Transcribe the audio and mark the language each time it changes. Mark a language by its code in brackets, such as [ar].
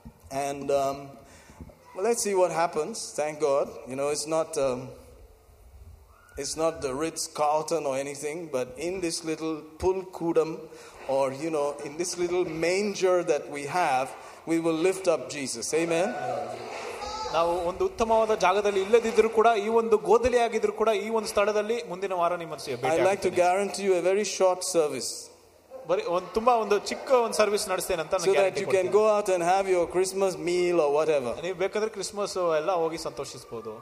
[en] And let's see what happens. Thank God. You know, it's not the Ritz-Carlton or anything, but in this little pulkudam, or, you know, in this little manger that we have, we will lift up Jesus. Amen. [kn] ನಾವು ಒಂದು ಉತ್ತಮವಾದ ಜಾಗದಲ್ಲಿ ಇಲ್ಲದಿದ್ದರೂ ಕೂಡ ಈ ಒಂದು ಗೋದಲಿ ಆಗಿದ್ರು ಕೂಡ ಈ ಒಂದು ಸ್ಥಳದಲ್ಲಿ ಮುಂದಿನ ವಾರ ನಿಮ್ಮನ್ನು ಸೇವೆ ಮಾಡ್ತೀನಿ. [en] I'd like to guarantee you a very short service. So that you can go out and have your Christmas meal or whatever.